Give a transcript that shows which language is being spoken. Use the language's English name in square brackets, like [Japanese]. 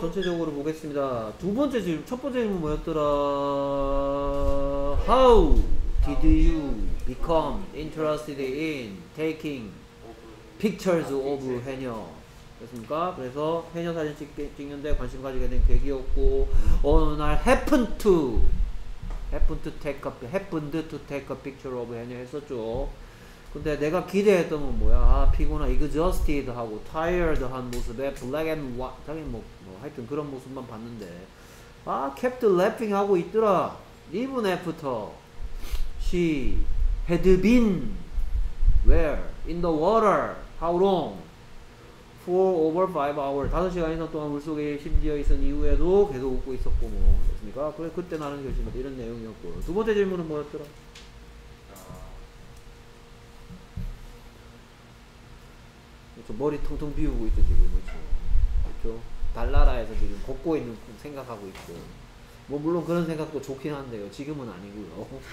[Korean] 전체적으로 보겠습니다. 두 번째 질문, 첫 번째 질문 뭐였더라? [English] How did you become interested in taking pictures of 해녀? [Korean] 그렇습니까? 그래서 해녀 사진 찍는데 관심 가지게 된 계기였고, 어느 날 [English] happened to take a picture of [Korean] 해녀 했었죠. 근데 내가 기대했던 건 뭐야? 아, 피곤하, exhausted 하고 tired 한 모습에 [English] black and white, [Korean] 뭐 하여튼 그런 모습만 봤는데, 아, [English] kept laughing [Korean] 하고 있더라. [English] Even after she had been where in the water, how long? Four over 5 hours. [Korean] 5시간 이상 동안 물속에 심지어 있은 이후에도 계속 웃고 있었고 뭐, 그렇습니까? 그래, 그때 나는 결심했다. 이런 내용이었고요. 두 번째 질문은 뭐였더라? 머리 통통 비우고 있죠 지금. 그렇죠? 달나라에서 지금 걷고 있는 생각하고 있고, 뭐 물론 그런 생각도 좋긴 한데요, 지금은 아니고요.